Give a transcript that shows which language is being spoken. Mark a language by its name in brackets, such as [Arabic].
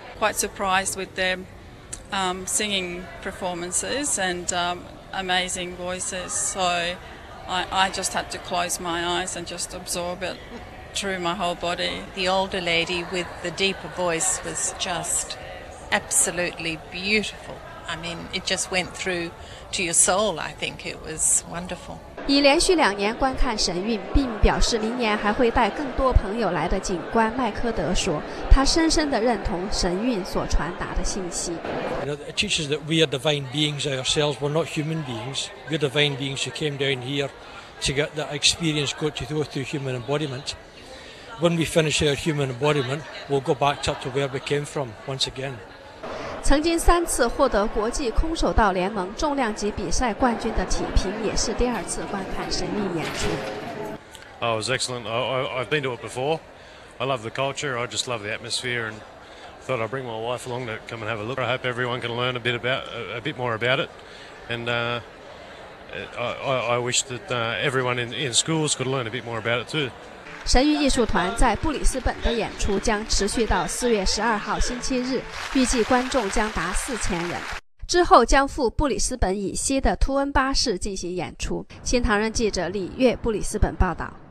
[English] Quite surprised with their singing performances and amazing voices. So I just had to close my eyes and just absorb it through my whole body. The older lady with the deeper voice was just absolutely beautiful. I mean, it just went through to your soul. I think it was wonderful. [Chinese] 已连续两年观看神韵，并表示明年还会带更多朋友来的警官麦科德说，他深深地认同神韵所传达的信息。 [English] You know, it teaches that we are divine beings ourselves. We're not human beings. We're divine beings who came down here to get that experience, go to go through human embodiment. When we finish our human embodiment, we'll go back up to where we came from once again. [Chinese] 曾经三次获得国际空手道联盟重量级比赛冠军的体评也是第二次观看神韵演出。 [English] Oh, it was excellent. I've been to it before. I love the culture. I just love the atmosphere, and thought I'd bring my wife along to come and have a look. I hope everyone can learn a bit more about it. And I wish that everyone in schools could learn a bit more about it too. [Chinese] 神韵艺术团在布里斯本的演出将持续到4月12号星期日，预计观众将达4000人，之后将赴布里斯本以西的图恩巴士进行演出。新唐人记者李月布里斯本报道。